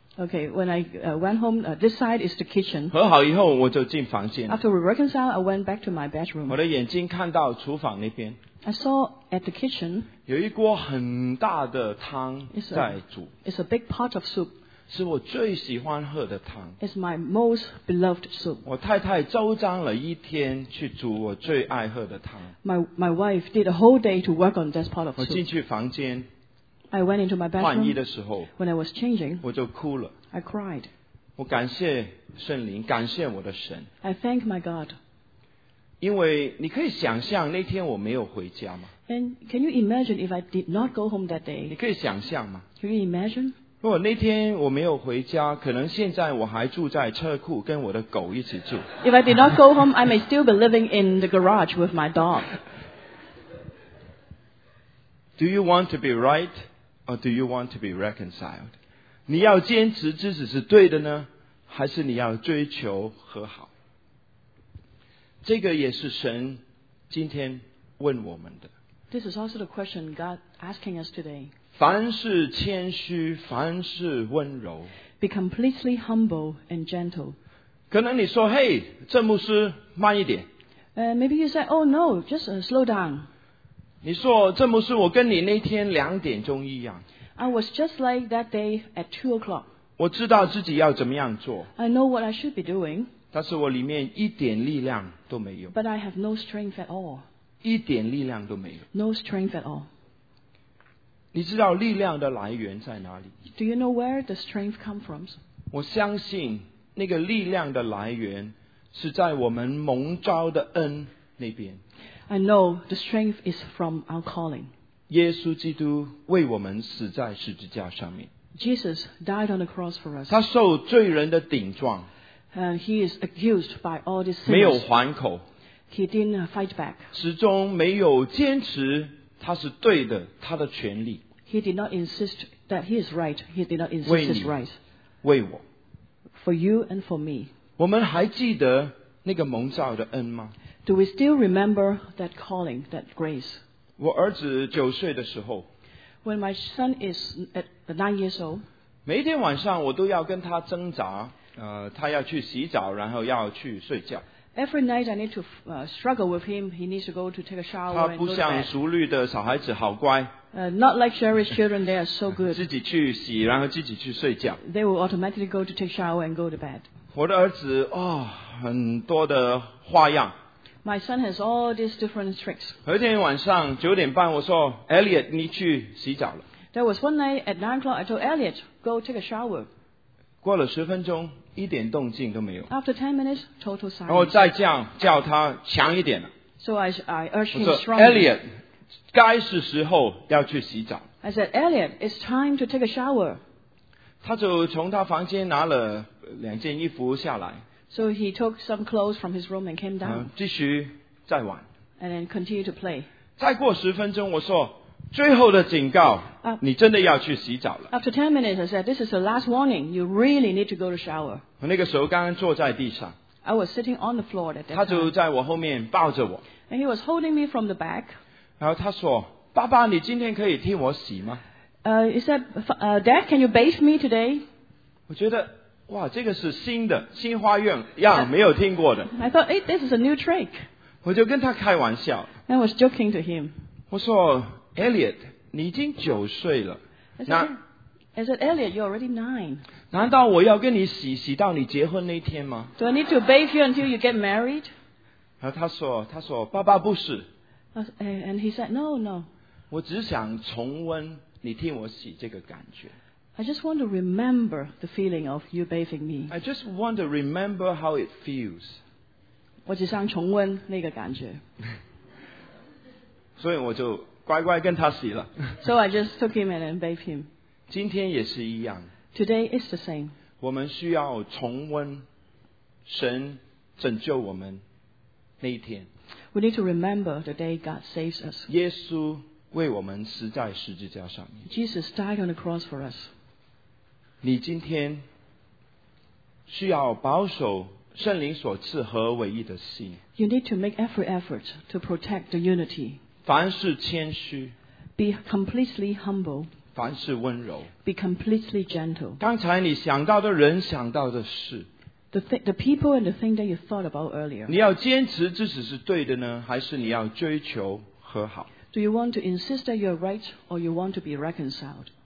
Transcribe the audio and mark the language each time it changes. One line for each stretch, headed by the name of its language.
English: Okay, when I went home, this side is the kitchen.
Chinese: 和好以后我就进房间。
English: After we reconciled, I went back to my bedroom.
Chinese: 我的眼睛看到厨房那边。
English: I saw at the kitchen.
Chinese: 有一锅很大的汤在煮。
English: It's a big pot of soup.
Chinese: 是我最喜欢喝的汤。
English: It's my most beloved soup.
Chinese: 我太太周章了一天去煮我最爱喝的汤。
English: My wife did a whole day to work on this pot of soup.
Chinese: 我进去房间。
English: I went into my bathroom.
Chinese: 换衣的时候
English: when I was changing,
Chinese: 我就哭了。
English: I cried.
Chinese: 我感谢圣灵，感谢我的神。
English: I thank my God.
Chinese: 因为你可以想象那天我没有回家吗
English: And can you imagine if I did not go home that day?
Chinese: 你可以想象吗
English: Can you imagine?
Chinese: 如果那天我没有回家，可能现在我还住在车库跟我的狗一起住。
English: If I did not go home, I may still be living in the garage with my dog. Do you want to be right? Or do you want to be reconciled?
Chinese: 你要坚持自己是对的呢还是你要追求和好这个也是神今天问我们的
English: This is also the question God asking us today.
Chinese: 凡事谦虚凡事温柔
English: Be completely humble and gentle.
Chinese: 可能你说嘿郑牧师慢一点
English: Maybe you say, oh no, just slow down.
Chinese: 你说郑牧师我跟你那天两点钟一样
English: I was just like that day at 2 o'clock
Chinese: 我知道自己要怎么样做
English: I know what I should be doing
Chinese: 但是我里面一点力量都没有
English: But I have no strength at all
Chinese: 一点力量都没有
English: No strength at all
Chinese: 你知道力量的来源在哪里
English: Do you know where the strength comes from?
Chinese: 我相信那个力量的来源是在我们蒙召的恩那边
English: I know the strength is from our calling.
Chinese: 耶稣基督为我们死在十字架上面。
English: Jesus died on the cross for us.
Chinese: 他受罪人的顶撞。
English: He is accused by all these sinners.
Chinese: 没有还口。
English: He didn't fight back.
Chinese: 始终没有坚持他是对的，他的权利。
English: He did not insist that he is right. He did not insist his right.
Chinese: 为我。
English: For you and for me.
Chinese: 我们还记得那个蒙召的恩吗？
English: Do we still remember that calling, that grace?
Chinese: 我儿子九岁的时候。
English: When my son is at 9 years old.
Chinese: 每一天晚上我都要跟他挣扎，他要去洗澡，然后要去睡觉。
English: Every night I need to struggle with him. He needs to go to take a shower.
Chinese: 他不像淑律的小孩子好乖。
English: Not like Sherry's children, they are so good.
Chinese: 自己去洗，然后自己去睡觉。
English: They will automatically go to take shower and go to bed.
Chinese: 我的儿子哦，很多的花样。
English: My son has all these different tricks.
Chinese: 有一天晚上九点半，我说 Elliot， 你去洗澡了。
English: There was one night at 9 o'clock. I told Elliot, go take a shower.
Chinese: 过了十分钟。一点动静都没有。
English: After 10 minutes, total silence.
Chinese: 然后再这样叫他强一点了。
English: So I urged him strongly.
Chinese: 我说 Elliot, 该是时候要去洗澡。
English: I said, Elliot, it's time to take a shower.
Chinese: 他就从他房间拿了两件衣服下来。
English: So he took some clothes from his room and came down.
Chinese: 继续再玩。
English: And then continue to play.
Chinese: 再过十分钟我说最后的警告，你真的要去洗澡了。
English: After 10 minutes, I said, "This is the last warning. You really need to go to shower."
Chinese: 我那个时候刚刚坐在地上。
English: I was sitting on the floor at that time.
Chinese: 他就在我后面抱着我。
English: And he was holding me from the back.
Chinese: 然后他说：“爸爸，你今天可以替我洗吗？”
English: He said, "Dad, can you bathe me today?"
Chinese: 我觉得哇，这个是新的新花样，样没有听过的。
English: I thought, "Hey, this is a new trick."
Chinese: 我就跟他开玩笑。
English: I was joking to him.
Chinese: 我说。Elliot, 你已经九岁了。
English: Is it Elliot? You're already 9.
Chinese: 难道我要跟你洗洗到你结婚那天吗？
English: Do I need to bathe you until you get married?
Chinese: 然后他说爸爸不是。
English: And he said, no.
Chinese: 我只想重温你替我洗这个感觉。
English: I just want to remember the feeling of you bathing me. I just want to remember how it feels.
Chinese: 我只想重温那个感觉。所以我就乖乖跟他洗了。
English: So I just took him and bathed him.
Chinese: 今天也是一样。
English: Today is the same.
Chinese: 我们需要重温神拯救我们那一天。
English: We need to remember the day God saves us.
Chinese: 耶稣为我们死在十字架上面。
English: Jesus died on the cross for us.
Chinese: 你今天需要保守圣灵所赐合唯一的心。
English: You need to make every effort to protect the unity.
Chinese: 凡事谦虚
English: ，be completely humble。
Chinese: 凡事温柔
English: ，be completely gentle。
Chinese: 刚才你想到的人想到的事
English: ，the people and the thing that you thought about earlier。
Chinese: 你要坚持自己是对的呢，还是你要追求和好
English: ？Do you want to insist that you're right, or you want to be reconciled？